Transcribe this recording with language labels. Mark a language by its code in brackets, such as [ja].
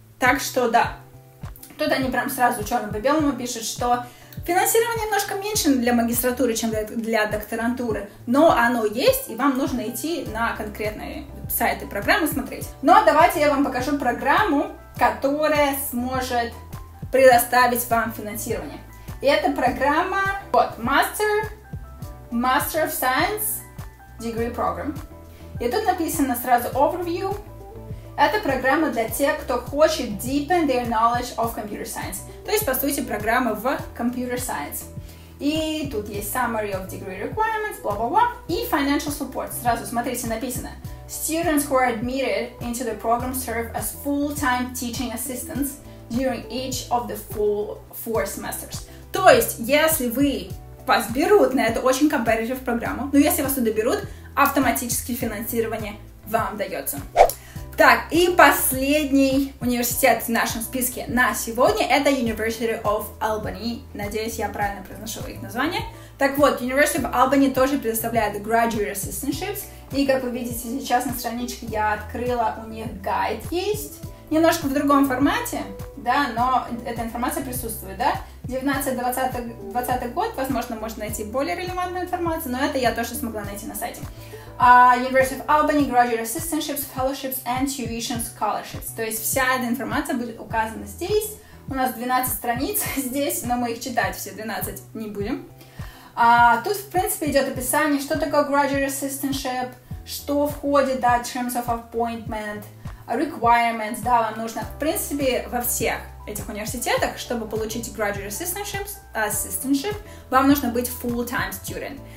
[ru] Так что да, тут они прям сразу черным по белому пишут, что финансирование немножко меньше для магистратуры, чем для докторантуры, но оно есть, и вам нужно идти на конкретные сайты программы смотреть. Но давайте я вам покажу программу, которая сможет предоставить вам финансирование. И это программа вот, Master of Science Degree Program. И тут написано сразу Overview. Это программа для тех, кто хочет [en] deepen their knowledge of computer science. [ru] То есть, по сути, программа в computer science. И тут есть [en] summary of degree requirements, [ru] бла-бла-бла. [en] И financial support. [ru] Сразу смотрите, написано. [en] Students who are admitted into the program serve as full-time teaching assistants during each of the full 4 semesters. [ru] То есть, если вы вас берут на эту очень competitive программу, но если вас туда берут, автоматически финансирование вам дается. Так, и последний университет в нашем списке на сегодня – это University of Albany. Надеюсь, я правильно произношу их название. Так вот, University of Albany тоже предоставляет graduate assistantships. И, как вы видите, сейчас на страничке я открыла, у них гайд есть. Немножко в другом формате, да, но эта информация присутствует, да. 19-20 год, возможно, можно найти более релевантную информацию, но это я тоже смогла найти на сайте. [en] University of Albany, Graduate Assistantships, Fellowships and Tuition Scholarships. [ru] То есть вся эта информация будет указана здесь. У нас 12 страниц здесь, но мы их читать все 12 не будем. Тут, в принципе, идет описание, что такое Graduate Assistantship, что входит, да, Terms of Appointment, Requirements, да, вам нужно, в принципе, во всех этих университетах, чтобы получить graduate assistantship, вам нужно быть full-time student.